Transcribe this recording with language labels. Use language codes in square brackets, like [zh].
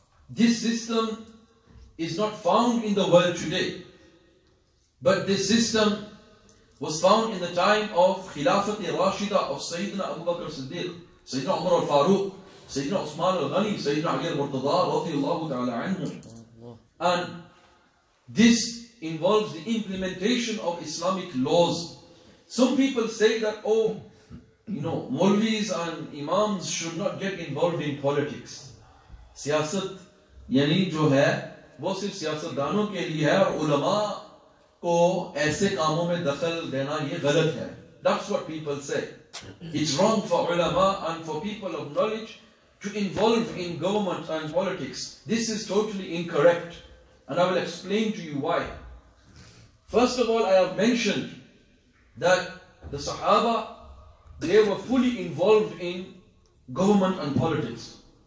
[en] This system is not found in the world today, but this system was found in the time of Khilafati Rashida of Sayyidina Abu Bakr Siddiq, Sayyidina Umar al-Faruq, Sayyidina Usman al-Ghani, Sayyidina Ali al-Murtada radiyallahu ta'ala anhu. And this involves the implementation of Islamic laws. Some people say that, oh, you know, mullahs and imams should not get involved in politics. [ur] سیاست، یعنی جو ہے، وہ صرف سیاستدانوں کے لیے ہے، اور علما کو ایسے کاموں میں دخل دینا یہ غلط ہے. [en] That's what people say. It's wrong for ulama and for people of knowledge to involve in government and politics. This is totally incorrect. And I will explain to you why. First of all, I have mentioned that the Sahaba, they were fully involved in government and politics.